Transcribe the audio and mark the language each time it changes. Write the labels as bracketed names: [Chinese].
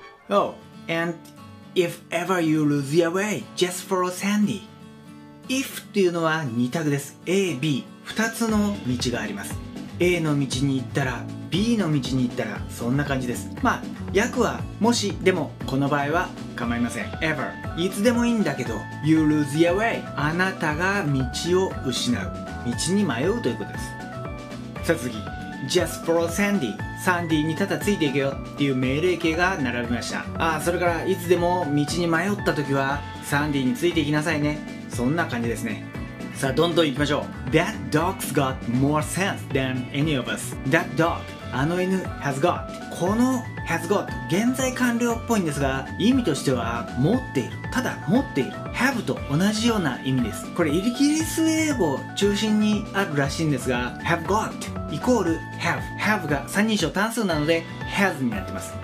[English] Oh, and if ever you lose your way, just follow Sandy. [Japanese] If っていうのは二択です。A、B、二つの道があります。 A の道に行ったら、B の道に行ったら、そんな感じです。まあ、訳はもしでも、この場合は構いません。 Ever、 いつでもいいんだけど、 [English] You lose your way、 [Japanese] あなたが道を失う、道に迷うということです。さあ、次。 [English] Just follow Sandy、 [Japanese] サンディにただついていけよっていう命令形が並びました。ああ、それからいつでも道に迷った時はサンディについていきなさいね、そんな感じですね。さあ、どんどん行きましょう。 [English] That dog's got more sense than any of us. That dog、 [Japanese] あの犬 [English] has got。 [Japanese] この has got 現在完了っぽいんですが、意味としては持っている、ただ持っている、 have と同じような意味です。これイギリス英語中心にあるらしいんですが、 have got イコール have、 have が三人称単数なので has になってます。